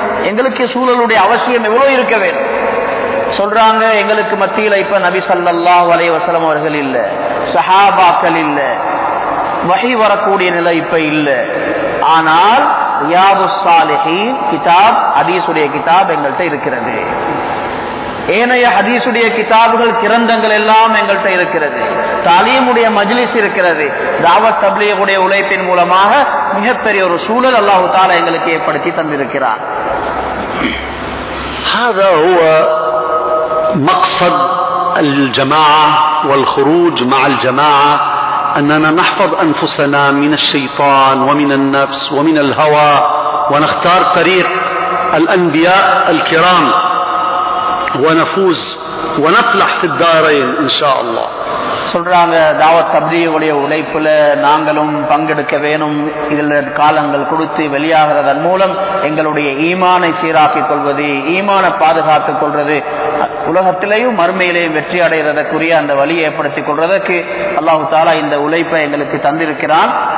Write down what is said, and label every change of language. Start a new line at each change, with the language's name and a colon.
Tamil: எங்களுக்கு சூழலுடைய அவசியம் எவ்வளவு இருக்க வேண்டும்? சொல்றாங்க, எங்களுக்கு மத்தியில இப்ப நபி ஸல்லல்லாஹு அலைஹி வஸல்லம் அவர்கள் இல்ல, சஹாபாக்கள் இல்ல, வஹி வரக்கூடிய நிலை இப்ப இல்ல, ஆனால் ரியாது ஸாலிஹீன் கிதாப், ஹதீஸுடைய கிதாப் எங்கள்கிட்ட இருக்கிறது. ஏனைய ஹதீசுடைய கிதாபுகள் கிரந்தங்கள் எல்லாம் எங்கள்கிட்ட இருக்கிறது. தாலீமுடைய மஜ்லிஸ் இருக்கிறது. தாவத் தப்லீகுடைய உழைப்பின் மூலமாக மிகப்பெரிய ஒரு சூழல் அல்லாஹு தஆலா எங்களுக்கு ஏற்படுத்தி தந்திருக்கிறார்.
Arabic: ஹாதா ஹுவா மக்ஸத் அல் ஜமாஅ வல் குரூஜ் மஅ அல் ஜமாஅ, أننا نحفظ أنفسنا من الشيطان ومن النفس ومن الهوى ونختار طريق الأنبياء الكرام ونفوز ونفلح في الدارين إن شاء الله.
Tamil: சொல்றாங்க, தாவத் தப்லீகுடைய உழைப்புல நாங்களும் பங்கெடுக்க வேணும், இதில் காலங்கள் கொடுத்து வெளியாகிறதன் மூலம் எங்களுடைய ஈமானை சீராக்கிக் கொள்வது, ஈமானை பாதுகாத்துக் கொள்வது, உலகத்திலேயும் மறுமையிலேயும் வெற்றி அடைகிறதற்குரிய அந்த வழியை ஏற்படுத்திக் கொள்றதற்கு அல்லாஹு தஆலா இந்த உழைப்பை எங்களுக்கு தந்திருக்கிறான்.